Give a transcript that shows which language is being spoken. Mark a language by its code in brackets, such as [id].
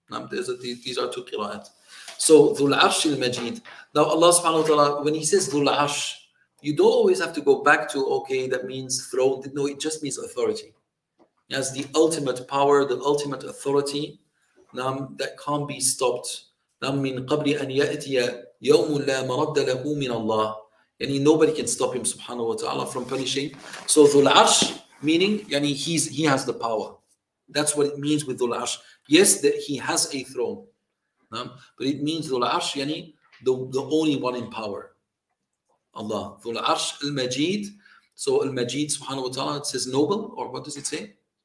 [en] These are two Qira'ahs. So, Dhul Arsh Al-Majid. Now, Allah subhanahu wa ta'ala, when He says Dhul Arsh, you don't always have to go back to, okay, that means throne. No, it just means authority. As the ultimate power, the ultimate authority, that can't be stopped. [ar] مِنْ قَبْلِ أَنْ يَأْتِيَ يَوْمٌ لَا مَرَدَّ لَهُ مِنَ اللَّهِ يعني [en] nobody can stop him subhanahu wa ta'ala from punishing. So ذُو الْعَرْشِ meaning يعني he has the power. That's what it means with ذُو الْعَرْشِ. Yes, that he has a throne. But it means ذُو الْعَرْشِ يعني the only one in power. [ar] Allah. ذُو الْعَرْشِ الْمَجِيد. [en] So الْمَجِيد subhanahu wa ta'ala, it says noble, or what does it say?